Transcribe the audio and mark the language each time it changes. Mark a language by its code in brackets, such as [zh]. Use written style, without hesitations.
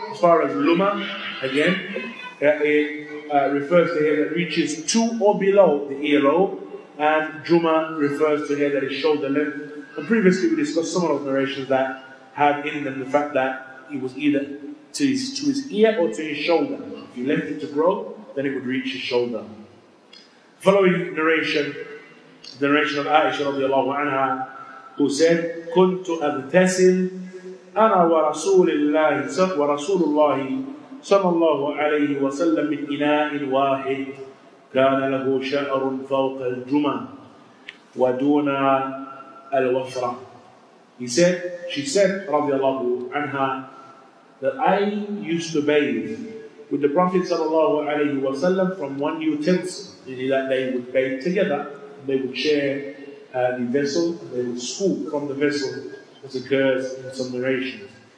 [en] As far as Luma, again, it refers to hair that reaches to or below the earlobe, and Juma refers to hair that is shoulder length. And previously we discussed some of those narrations that had in them the fact that it was either to his ear or to his shoulder. If you left it to grow, then it would reach his shoulder. Following narration, the narration of Aisha radiallahu anha, who said, [ar] كُنْتُ أَبْتَسِلْ أَنَا وَرَسُولِ اللَّهِ وَرَسُولُ اللَّهِ صلى الله عليه وسلم من إناء واحد كان له شعر فوق الجمع ودون الوفرة. [en] She said رضي الله عنها that I used to bathe with the Prophet صلى الله عليه وسلم from one utensil, meaning that they would bathe together, they would share the vessel, they would scoop from the vessel, as occurs in some narrations.